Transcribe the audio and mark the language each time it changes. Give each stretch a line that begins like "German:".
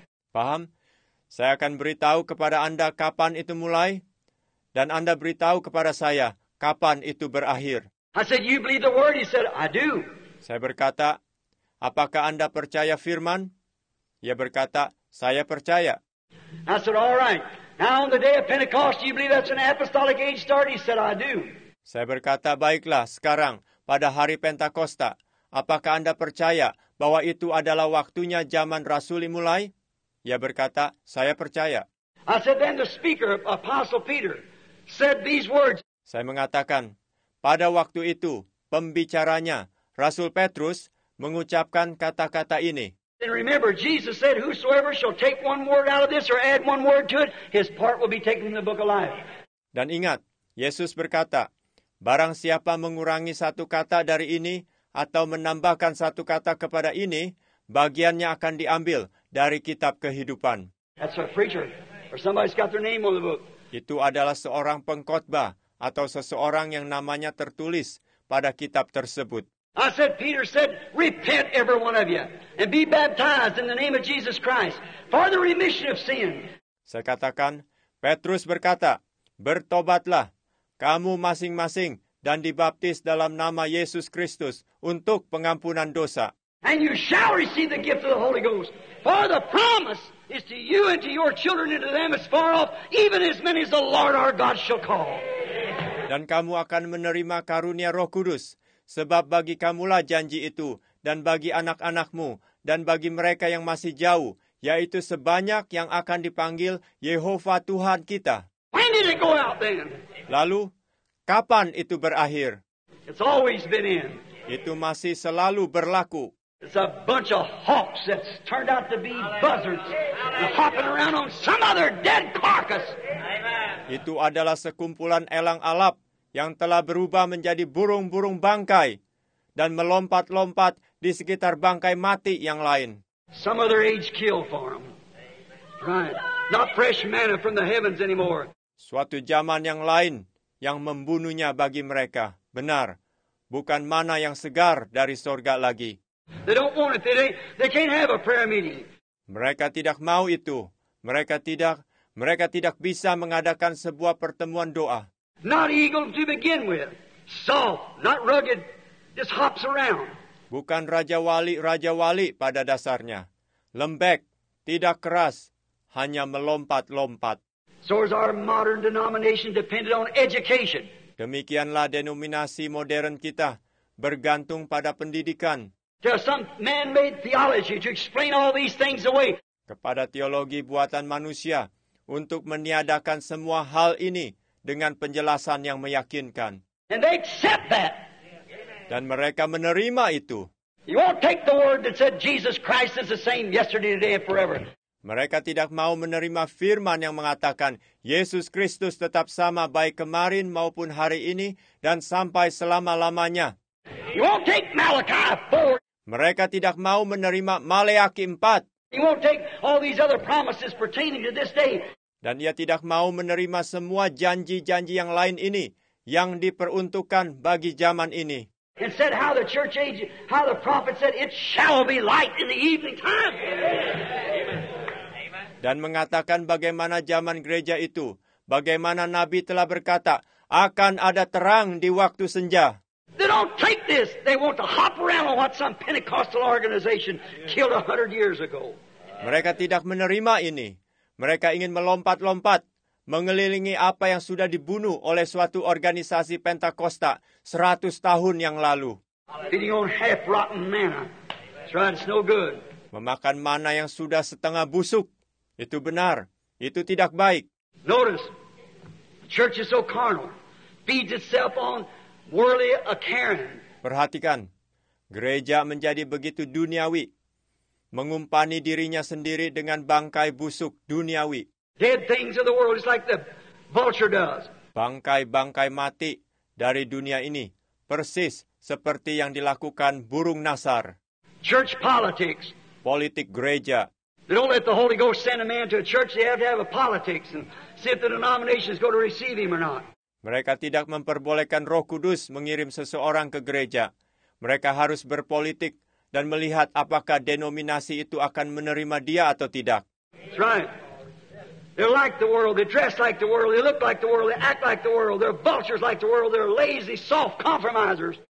Indonesian: Paham? Saya akan beritahu kepada Anda kapan itu mulai, dan Anda beritahu kepada saya kapan itu berakhir.
English: I said, you believe the word? He said, I do.
Indonesian: Saya berkata, apakah Anda percaya firman? Ia berkata, saya percaya.
English: I said, all right. Now on the day of Pentecost, you believe that's an apostolic age start? He said, I do.
Indonesian: Saya berkata, baiklah, sekarang, pada hari Pentakosta, apakah Anda percaya bahwa itu adalah waktunya zaman rasuli mulai? Ia berkata, saya percaya.
English: I said, then the speaker, Apostle Peter, said these words.
Indonesian: Saya mengatakan, pada waktu itu, pembicaranya, Rasul Petrus, mengucapkan kata-kata ini.
English: And remember, Jesus said, whosoever shall take one word out of this or add one word to it, his part will be taken from the book of life.
Indonesian: Dan ingat, Yesus berkata, barang siapa mengurangi satu kata dari ini atau menambahkan satu kata kepada ini, bagiannya akan diambil dari kitab kehidupan.
English: That's a preacher, or somebody's got their name on the book.
Indonesian: Itu adalah seorang pengkhotbah atau seseorang yang namanya tertulis pada kitab tersebut.
English: I said, Peter said, repent every one of you and be baptized in the name of Jesus Christ for the remission of sin.
Indonesian: Saya katakan, Petrus berkata, bertobatlah kamu masing-masing dan dibaptis dalam nama Yesus Kristus untuk pengampunan dosa.
English: And you shall receive the gift of the Holy Ghost. For the promise is to you and to your children and to them as far off, even as many as the Lord our God shall call.
Indonesian: Dan kamu akan menerima karunia Roh Kudus, sebab bagi kamulah janji itu, dan bagi anak-anakmu, dan bagi mereka yang masih jauh, yaitu sebanyak yang akan dipanggil Yehova Tuhan kita.
English: When did it go out then?
Indonesian: Lalu, kapan itu berakhir?
English: It's always been in.
Indonesian: Itu masih selalu berlaku.
English: It's a bunch of hawks that's turned out to be buzzards and hopping around on some other dead carcass.
Indonesian: Itu adalah sekumpulan elang alap yang telah berubah menjadi burung-burung bangkai dan melompat-lompat di sekitar bangkai mati yang lain.
English: Some other age kill for them. Right. Not fresh manna from the heavens anymore.
Indonesian: Suatu zaman yang lain yang membunuhnya bagi mereka. Benar. Bukan mana yang segar dari sorga lagi.
English: They don't want it. They can't have a prayer meeting.
Indonesian: Mereka tidak mau itu. Mereka tidak bisa mengadakan sebuah pertemuan doa.
English: Not eagle to begin with. Soft, not rugged, just hops around.
Indonesian: Bukan raja wali pada dasarnya. Lembek, tidak keras, hanya melompat-lompat.
English: So is our modern denomination dependent on education.
Indonesian: Demikianlah denominasi modern kita bergantung pada pendidikan.
English: There's some man-made theology to explain all these things away.
Indonesian: Kepada teologi buatan manusia untuk meniadakan semua hal ini dengan penjelasan yang meyakinkan.
English: And they accept that.
Indonesian: Dan mereka menerima itu.
English: You won't take the word that said Jesus Christ is the same yesterday, today, and forever.
Indonesian: Mereka tidak mau menerima firman yang mengatakan Yesus Kristus tetap sama baik kemarin maupun hari ini dan sampai selama-lamanya.
English: You won't take Malachi 4.
Indonesian: Mereka tidak mau menerima Maleakhi 4.
English: You won't take all these other promises pertaining to this day.
Indonesian: Dan ia tidak mau menerima semua janji-janji yang lain ini yang diperuntukkan bagi zaman ini.
English: Instead, how the church age, how the prophet said, it shall be light in the evening time.
Indonesian: Dan mengatakan bagaimana zaman gereja itu, bagaimana nabi telah berkata, akan ada terang di waktu senja.
English: They don't take this. They want to hop around on what some Pentecostal organization killed 100 years ago.
Indonesian: Mereka tidak menerima ini. Mereka ingin melompat-lompat, mengelilingi apa yang sudah dibunuh oleh suatu organisasi Pentakosta 100 tahun yang lalu.
English: Feeding on half-rotten manna. That's right, it's no good.
Indonesian: Memakan mana yang sudah setengah busuk. Itu benar. Itu tidak baik.
English: Notice, the church is so carnal. Feeds itself on worldly acorn.
Indonesian: Perhatikan, gereja menjadi begitu duniawi. Mengumpani dirinya sendiri dengan bangkai busuk duniawi.
English: Dead things of the world is like the vulture does.
Indonesian: Bangkai-bangkai mati dari dunia ini persis seperti yang dilakukan burung nazar.
English: Church politics.
Indonesian: Politik gereja.
English: They don't let the Holy Ghost send a man to a church. They have to have a politics and see if the denomination is going to receive him or not.
Indonesian: Mereka tidak memperbolehkan Roh Kudus mengirim seseorang ke gereja. Mereka harus berpolitik dan melihat apakah denominasi itu akan menerima dia atau tidak.
English: That's right. They're like the world. They dress like the world. They look like the world. They act like the world. They're vultures like the world. They're lazy, soft compromisers.